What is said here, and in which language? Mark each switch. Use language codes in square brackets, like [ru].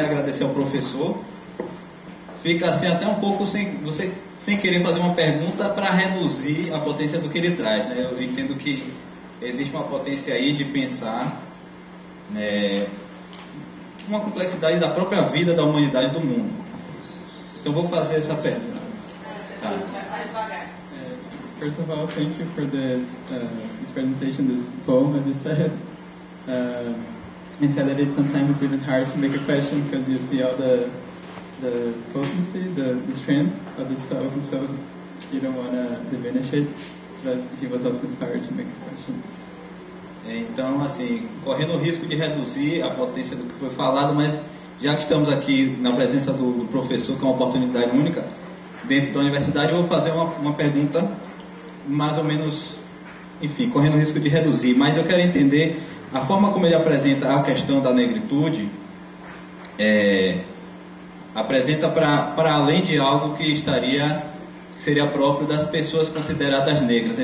[pt] Agradecer ao professor. Fica assim até um pouco sem você, sem querer fazer uma pergunta para reduzir a potência do que ele traz, né? Eu entendo que existe uma potência aí de pensar, né, uma complexidade da própria vida, da humanidade, do mundo. Então vou fazer essa pergunta. Tá. [en] First of all, thank you for this, this presentation, this poem, as you said. I said that it's sometimes even hard to make a question because you see all the potency, the strength of the soul, so you don't want to diminish it, but he was also inspired to make a question. [pt] Então, assim, correndo o risco de reduzir a potência do que foi falado, mas já que estamos aqui na presença do professor, que é uma oportunidade única, dentro da universidade, eu vou fazer uma pergunta mais ou menos, enfim, correndo o risco de reduzir, mas eu quero entender a forma como ele apresenta a questão da negritude, apresenta para além de algo que estaria, que seria próprio das pessoas consideradas negras.